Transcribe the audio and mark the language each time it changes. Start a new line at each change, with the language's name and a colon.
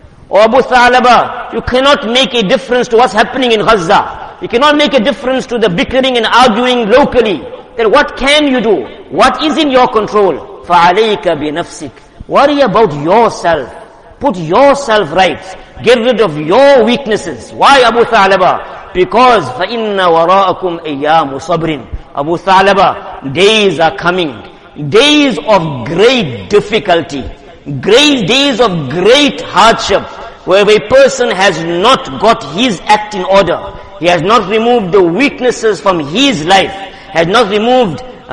English: Oh Abu Thalaba, you cannot make a difference to what's happening in Gaza. You cannot make a difference to the bickering and arguing locally. Then what can you do? What is in your control? Fa'alayka bi nafsik. Worry about yourself. Put yourself right. Get rid of your weaknesses. Why Abu Thalaba? Because
Arabic: فَإِنَّ وَرَاءَكُمْ أَيَّامُ صَبْرٍ.
English: Abu Thalaba, days are coming. Days of great difficulty. Great days of great hardship. Where a person has not got his act in order. He has not removed the weaknesses from his life. Has not removed